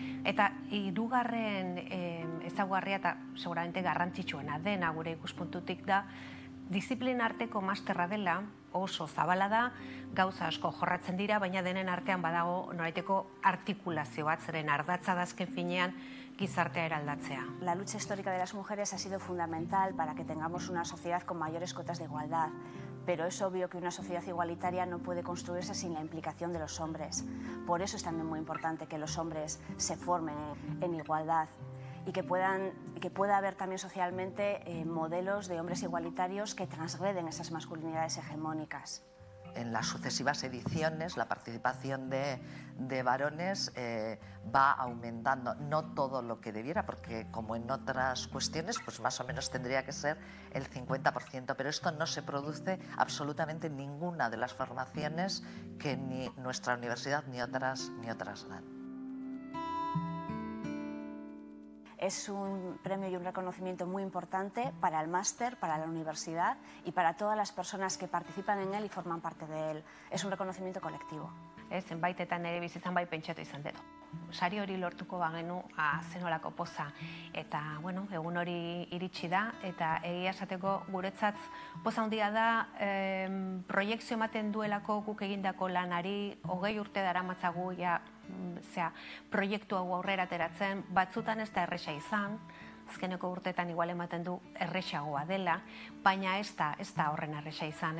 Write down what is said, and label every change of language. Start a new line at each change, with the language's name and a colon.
Basque: Eta hirugarren ezaugarria eta seguramente garrantzitsuena dena gure ikuspuntutik da, disiplina arteko masterra dela, oso zabala da, gauza asko jorratzen dira, baina denen artean badago noraiteko artikulazio bat, zeren ardatza da azken finean gizartea eraldatzea.
Spanish: La lucha histórica de las mujeres ha sido fundamental para que tengamos una sociedad con mayores cotas de igualdad, pero es obvio que una sociedad igualitaria no puede construirse sin la implicación de los hombres. Por eso es también muy importante que los hombres se formen en igualdad y que pueda haber también socialmente modelos de hombres igualitarios que transgreden esas masculinidades hegemónicas. En las sucesivas ediciones la participación de varones va aumentando, no todo lo que debiera, porque como en otras cuestiones, pues más o menos tendría que ser el 50%, pero esto no se produce absolutamente en ninguna de las formaciones que ni nuestra universidad ni otras dan. Es un premio y un reconocimiento muy importante para el máster, para la universidad y para todas las personas que participan en él y forman parte de él. Es un reconocimiento colectivo.
Basque: Ez, enbaitetan ere bizitzan bai pentsatu izan dut. Sari hori lortuko bagenu zenolako poza. Eta, bueno, egun hori iritsi da, eta egia esateko guretzat poza handia da, proiektzio ematen duelako guk egindako lanari, 20 urte dara matzagu, ja, zera, proiektu hau aurrera ateratzen, batzutan ez da erresa izan, azkeneko urteetan igual ematen du erresagoa dela, baina ez da horren erresa izan.